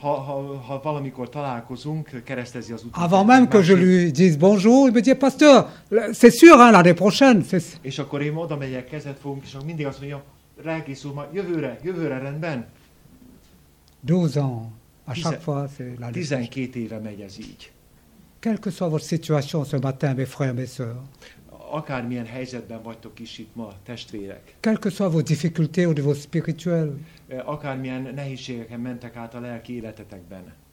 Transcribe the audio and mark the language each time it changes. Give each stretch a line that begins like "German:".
Hungarian: ha valamikor találkozunk, keresztezi az utat.
French: Avant même que je lui dise bonjour, il me dit, pasteur, c'est sûr, hein, l'année prochaine.
Hungarian: És akkor én oda megyek, kezet fogunk, és mindig azt mondja, rákészül, majd jövőre, rendben.
French: 12 ans, à chaque fois, c'est la
Hungarian: liste. 12 éve megy ez így.
French: Quelle que soit votre situation ce matin, mes frères, mes sœurs.
Hungarian: Akármilyen helyzetben vagytok is itt ma, testvérek.
French: Quelle que soit vos difficultés au niveau spirituel.
Hungarian: Akármilyen nehézségeken mentek át a lelki életetekben.